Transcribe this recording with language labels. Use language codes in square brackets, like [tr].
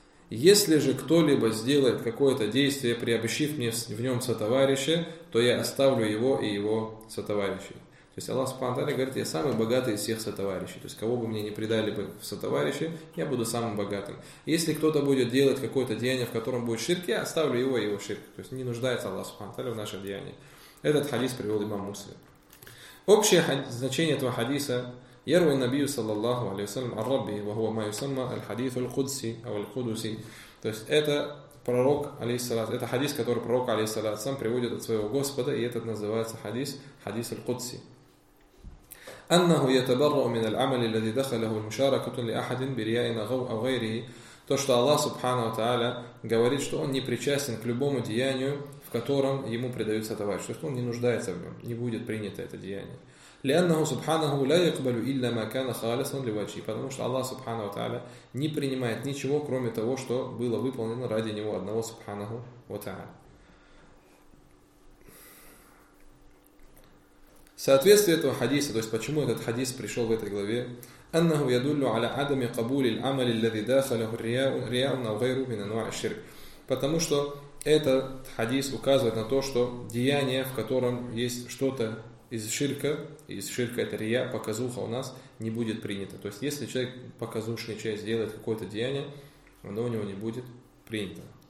[ru] Если же кто-либо сделает какое-то действие, приобщив мне в нем сотоварища, то я оставлю его и его сотоварищей. То есть Аллах Субхану Тааля говорит, я самый богатый из всех сотоварищей. То есть кого бы мне не предали бы в сотоварищи, я буду самым богатым. Если кто-то будет делать какое-то деяние, в котором будет ширк, я оставлю его и его ширк. То есть не нуждается Аллах Субхану Тааля в нашем деянии. Этот хадис привел имам Муслим. Общее значение этого хадиса [ar] يروي النبي صلى الله عليه وسلم عن ربي وهو ما يسمى الحديث القدسي أو القدسي. [ru] То есть это пророк алейхиссалат, это хадис, который пророк алейхиссалат сам приводит от своего Господа, и этот называется хадис, хадис القدسي. [ar] أنه يتبرأ من العمل الذي دخله المشاركة لأحد برياء أو غيره. [ru] То, что Аллах Субхану Тааля говорит, что он не причастен к любому деянию, в котором ему предаются товарищи. То есть он не нуждается в нем, не будет принято это деяние. [ar] لأنه سبحانه لا يقبل إلا ما كان خالصا لوجهه. [ru] Потому что Аллах Субхану Тааля не принимает ничего, кроме того, что было выполнено ради него одного Субханаху ва Тааля. Соответствие этого хадиса, то есть почему этот хадис пришел в этой главе, [ar] أنه يدل على عدم قبول العمل الذي داخله الرياء أو غيره من أنواع الشرك. [ru] Потому что этот хадис указывает на то, что деяние, в котором есть что-то из ширка это рия, показуха у нас, не будет принято. То есть, если человек показушный часть делает какое-то деяние, оно у него не будет принято.